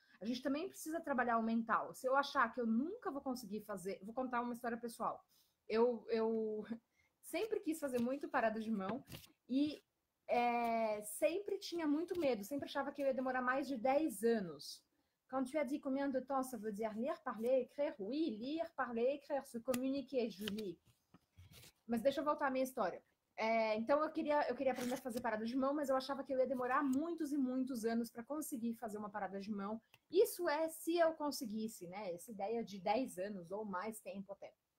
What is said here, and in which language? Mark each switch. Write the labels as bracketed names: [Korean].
[Portuguese] A gente também precisa trabalhar o mental. Se eu achar que eu nunca vou conseguir fazer... Vou contar uma história pessoal. Eu sempre quis fazer muito parada de mão. E sempre tinha muito medo. Sempre achava que eu ia demorar mais de 10 anos. [French] Quand tu as dit combien de temps, ça veut dire lire, parler, écrire. Oui, lire, parler, écrire, se communiquer, Julie. [Portuguese] Mas deixa eu voltar à minha história. Então, eu queria aprender a fazer parada de mão, mas eu achava que eu ia demorar muitos e muitos anos para conseguir fazer uma parada de mão. Isso é se eu conseguisse, né? Essa ideia de 10 anos ou mais tempo até.